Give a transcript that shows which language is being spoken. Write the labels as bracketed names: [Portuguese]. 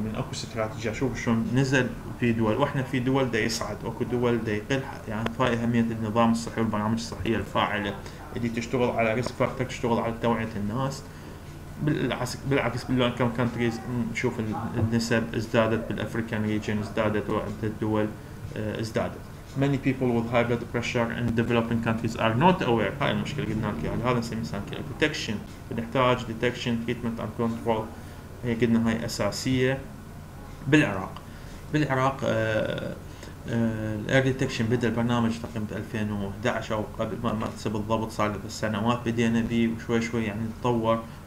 [Arabic] من اكو استراتيجيه شوف شلون نزل في دول، واحنا في دول دا يصعد، اكو دول دا يقل، يعني فاي اهميه النظام الصحي والبرامج الصحيه الفاعله اللي تشتغل على ريسك فاكتور، تشتغل على توعيه الناس. بالعكس باللون كم كانتريز نشوف النسب ازدادت، بالافريكان ريجن ازدادت، وعدد الدول ازدادت. [English] many people with high blood pressure in developing countries are not aware. [Arabic] هاي المشكلة قلنا لك يعني هذا نسمي مثلا detection. بنحتاج [English] detection, treatment and control. [Arabic] هي قلنا هاي أساسية. بالعراق, بالعراق الاير ديتكشن بدا البرنامج تقريبا في 2011 او قبل, ما تسب الضبط صار له سنوات بدينا به وشوي شوي يعني تطور.